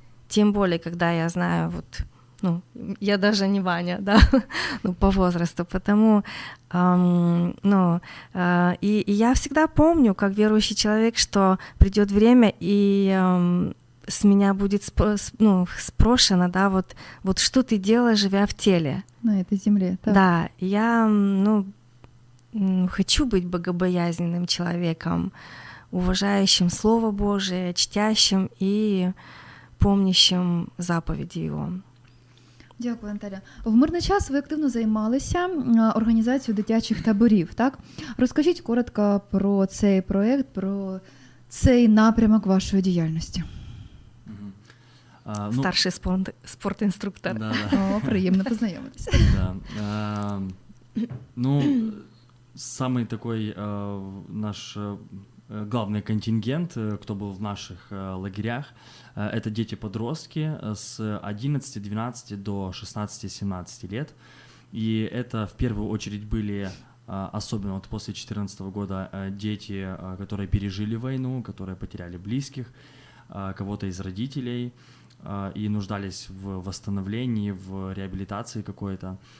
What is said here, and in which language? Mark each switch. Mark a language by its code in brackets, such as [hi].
[ru] Тем более, когда я знаю, вот, ну, я даже не Ваня, да, ну, по возрасту, потому, ну, и я всегда помню, как верующий человек, что придет время, и с меня будет спрошено, да, вот, вот что ты делаешь, живя в теле? На этой земле, да. Да, я, ну, хочу быть богобоязненным человеком, уважающим Слово Божие, чтящим и помнящим заповеди Его. [uk] Дякую, Наталя. В мирний час ви активно займалися організацією дитячих таборів, так? Розкажіть коротко про цей проєкт, про цей напрямок вашої діяльності. Угу. Старший спортінструктор. [ru] Да, да. [uk] Приємно познайомитися. [ru] Да. Ну, самий такий наш главный контингент, кто был в наших лагерях, это дети-подростки с 11-12 до 16-17 лет. И это в первую очередь были, особенно вот после 2014 года, дети, которые пережили войну, которые потеряли близких, кого-то из родителей и нуждались в восстановлении, в реабилитации какой-то.